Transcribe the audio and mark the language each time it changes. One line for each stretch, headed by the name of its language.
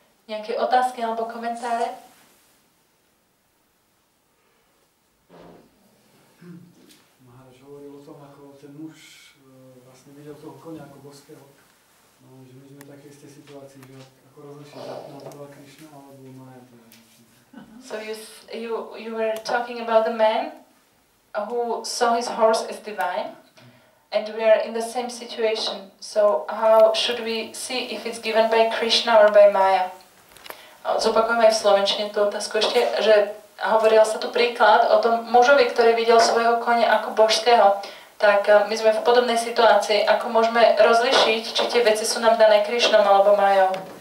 Slovak: Nejaké otázky alebo komentáre? Maharaj hovoril o tom, ako ten muž vlastne videl toho koňa ako božského. No, že my sme v takej istej situácii, že ako rozlišiť na to bola Krishna alebo Maja.
English: So you were talking about the man who saw his horse as divine, and we are in the same situation. So how should we see if it's given by Krishna or by Maya?
Slovak: Zopakujem aj v slovenčine tú otázku ešte, že hovoril sa tu príklad o tom mužovi, ktorý videl svojho konia ako božského. Tak my sme v podobnej situácii, ako môžeme rozlišiť, či tie veci sú nám dané Krishnom alebo Majou.